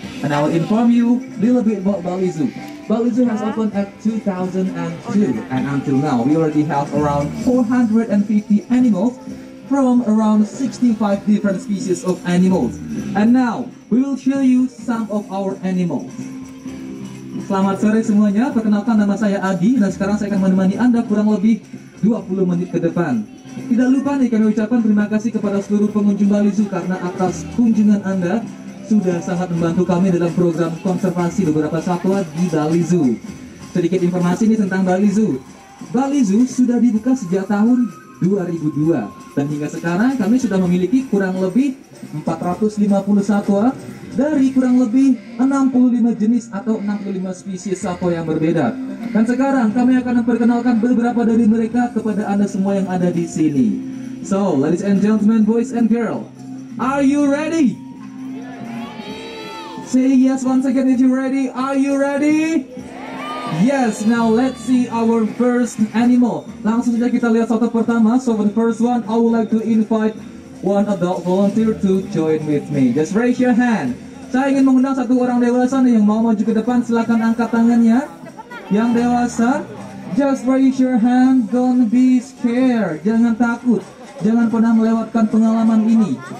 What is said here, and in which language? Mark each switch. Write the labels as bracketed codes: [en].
[en] And I will inform you a little bit about Bali Zoo. Bali Zoo has opened at 2002, and until now, we already have around 450 animals from around 65 different species of animals. And now, we will show you some of our animals. [id] Selamat sore semuanya, perkenalkan nama saya Adi, dan sekarang saya akan menemani Anda kurang lebih 20 menit ke depan. Tidak lupa nih, kami ucapkan terima kasih kepada seluruh pengunjung Bali Zoo karena atas kunjungan Anda sudah sangat membantu kami dalam program konservasi beberapa satwa di Bali Zoo. Sedikit informasi nih tentang Bali Zoo. Bali Zoo sudah dibuka sejak tahun 2002, dan hingga sekarang kami sudah memiliki kurang lebih 450 satwa dari kurang lebih 65 jenis atau 65 spesies satwa yang berbeda. Dan sekarang kami akan memperkenalkan beberapa dari mereka kepada Anda semua yang ada di sini. [en] So, ladies and gentlemen, boys and girls, are you ready? Say yes once again if you're ready. Are you ready? Yes, now let's see our first animal. [id] Langsung saja kita lihat satwa pertama. [en] So for the first one, I would like to invite one adult volunteer to join with me. Just raise your hand. [id] Saya ingin mengundang satu orang dewasa nih yang mau maju ke depan. Silakan angkat tangannya. Yang dewasa, [en] just raise your hand. Don't be scared. [id] Jangan takut. Jangan pernah melewatkan pengalaman ini.